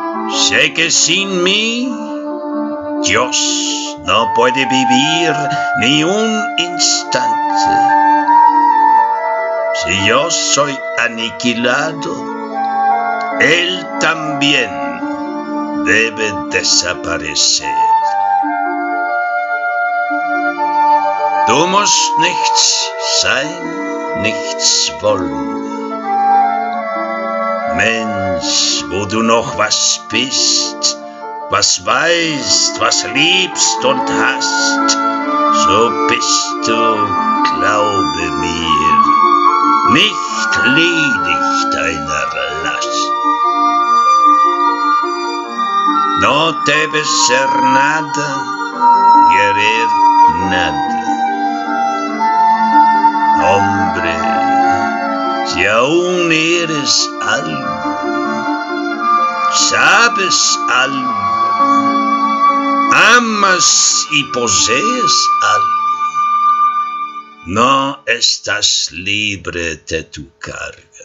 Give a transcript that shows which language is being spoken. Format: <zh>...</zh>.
<es>Sé que sin mí, Dios no puede vivir ni un instante. Si yo soy aniquilado, Él también debe desaparecer.</es> <de>Du musst nichts sein, nichts wollen. Mensch, wo du noch was bist, was weißt, was liebst und hast, so bist du, glaube mir, nicht ledig deiner Last.</de> <es>No debes ser nada, querer nada. Hombre, si aún eres algo, sabes algo, amas y posees algo, no estás libre de tu carga.</es>